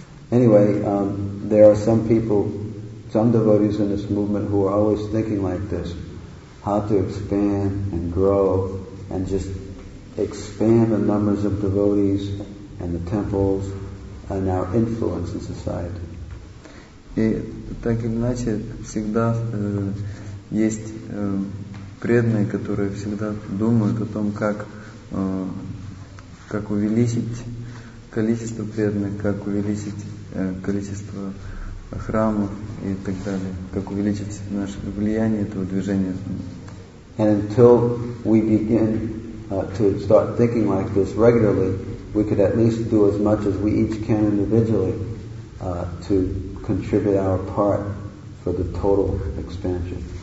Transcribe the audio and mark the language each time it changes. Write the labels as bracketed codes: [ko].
[en] Anyway, there are some people, some devotees in this movement who are always thinking like this, how to expand and grow and just expand the numbers of devotees and the temples and our influence in society. [ru] И так или иначе, всегда есть преданные, которые всегда думают о том, как увеличить количество преданных, как увеличить количество храмов и так далее, как увеличить наше влияние этого движения. [en] And until we begin to start thinking like this regularly, we could at least do as much as we each can individually to contribute our part for the total expansion.